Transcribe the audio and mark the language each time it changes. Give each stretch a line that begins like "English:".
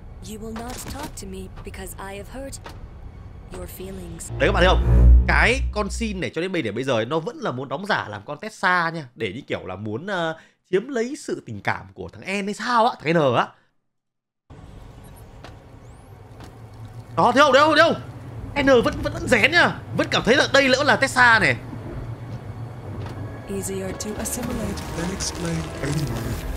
English: You will not talk to me because I have hurt your feelings.
Vietnamese: Đấy các bạn thấy không? Cái con Sin này cho đến bây giờ nó vẫn là muốn đóng giả làm con Tessa nha, để như kiểu là muốn chiếm lấy sự tình cảm của thằng N hay sao á, thằng N á. Đó, thấy không? Đấy không? N vẫn rén nhá, vẫn cảm thấy là đây lỡ là Tessa này.
English: Easier to assimilate than explain anyway.